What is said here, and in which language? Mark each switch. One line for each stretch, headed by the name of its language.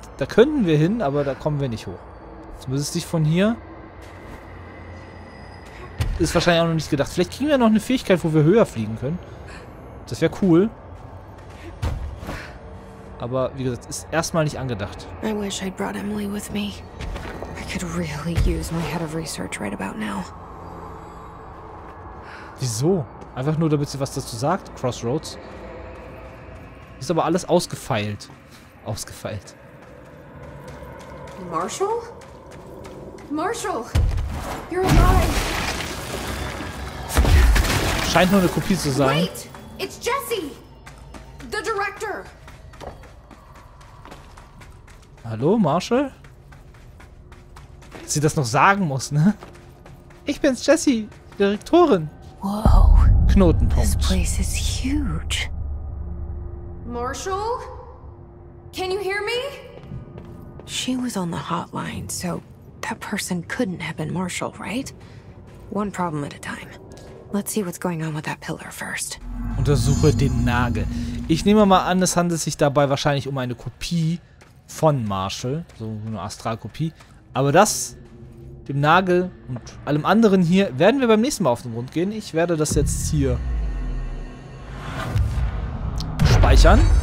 German: Da könnten wir hin, aber da kommen wir nicht hoch. Zumindest nicht von hier. Ist wahrscheinlich auch noch nicht gedacht. Vielleicht kriegen wir noch eine Fähigkeit, wo wir höher fliegen können. Das wäre cool. Aber wie gesagt, ist erstmal nicht angedacht.
English: I wish I'd brought Emily with me. I could really use my head of research right about now.
German: Wieso? Einfach nur, damit sie was dazu sagt, Crossroads. Ist aber alles ausgefeilt. Ausgefeilt.
English: Marshall? Marshall! You're alive!
German: Scheint nur eine Kopie zu sein.
English: Wait, it's Jesse, the director.
German: Hallo, Marshall? Dass sie das noch sagen muss, ne? Ich bin's, Jesse, Direktorin. Wow. Knotenpunkt.
English: This place is huge. Marshall? Can you hear me? She was on the hotline, so that person couldn't have been Marshall, right? One problem at a time. Let's see what's going on with that pillar first.
German: Untersuche den Nagel. Ich nehme mal an, es handelt sich dabei wahrscheinlich um eine Kopie von Marshall, so eine Astralkopie. Aber das, dem Nagel und allem anderen hier, werden wir beim nächsten Mal auf den Grund gehen. Ich werde das jetzt hier speichern.